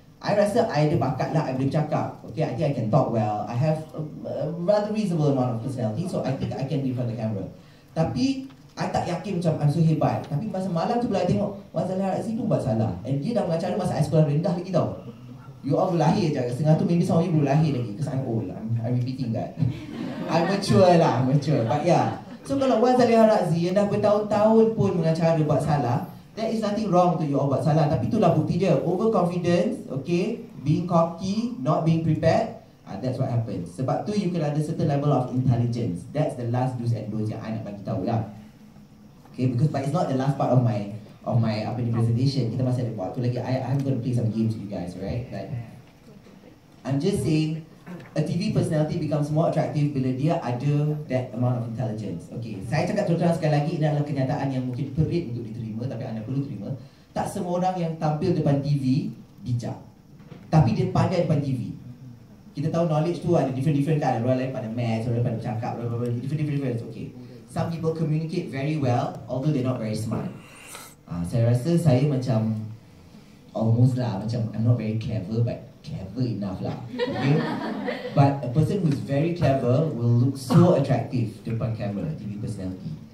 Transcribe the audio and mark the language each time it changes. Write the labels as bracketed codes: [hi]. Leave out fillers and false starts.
[ms] I rasa I ada bakat lah, I boleh cakap. [en] Okay, I think I can talk well. I have a rather reasonable amount of personality, so I think I can be in front of the camera. [ms] Tapi I tak yakin macam [en] I'm so [ms] hebat. Tapi masa malam tu pula I tengok Wan Zaliha Razi pun buat salah. And dia dah mengacara masa I sekolah rendah lagi tau. You all berlahir je, setengah tu [en] maybe some of you [ms] belum lahir lagi. [en] Because I'm old, I'm repeating that. I'm mature lah, mature. But yeah. [ms] So kalau Wan Zaliha Razi yang dah bertahun-tahun pun mengacara buat salah, [en] there is nothing wrong to you all [ms] buat salah. Tapi itulah bukti dia. [en] Overconfidence, okay, being cocky, not being prepared, that's what happens. Sebab tu you can have a certain level of intelligence. That's the last do's and don'ts [ms] yang I nak bagi tahu lah. [en] Okay, because but it's not the last part of my [ms] apa ni [en] presentation. [ms] Kita masih ada buat tu lagi. [en] I'm going to play some games with you guys, right? But I'm just saying, a TV personality becomes more attractive [ms] bila dia ada [en] that amount of intelligence. [ms] Okay, saya cakap terus-terang sekali lagi, ini adalah kenyataan yang mungkin perit untuk diterima, tapi anda perlu terima. Tak semua orang yang tampil depan TV bijak, tapi dia pandai depan TV. Kita tahu knowledge tu ada different kan, orang lain pada maths, orang lain pada cakap, different. [en] Okay, some people communicate very well although they're not very smart. [ms] Saya rasa saya macam [en] almost lah, macam I'm not very clever but clever enough lah, okay? But a person who's very clever will look so attractive [ms] depan kamera, [en] TV personality.